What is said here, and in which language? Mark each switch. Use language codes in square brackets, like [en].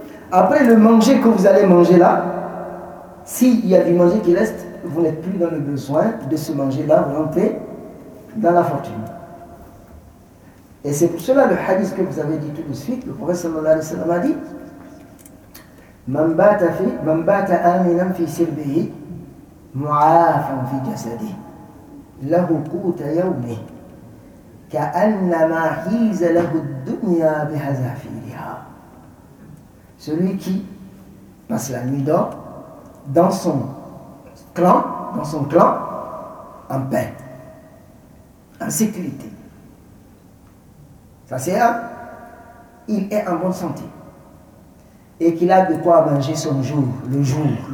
[fr] Après le manger que vous allez manger là, s'il y a du manger qui reste, vous n'êtes plus dans le besoin de ce manger-là, vous rentrez dans la fortune. Et c'est pour cela le hadith que vous avez dit tout de suite, le prophète sallallahu alayhi wa sallam a dit [ar] من بات آمنا في سربه معافا في جسده له قوت يومه كأنما حيز له الدنيا بحذافيرها. [fr] Celui qui passe la nuit dort dans son clan, en paix, en sécurité. Ça c'est un, il est en bonne santé. Et qu'il a de quoi manger son jour, le jour.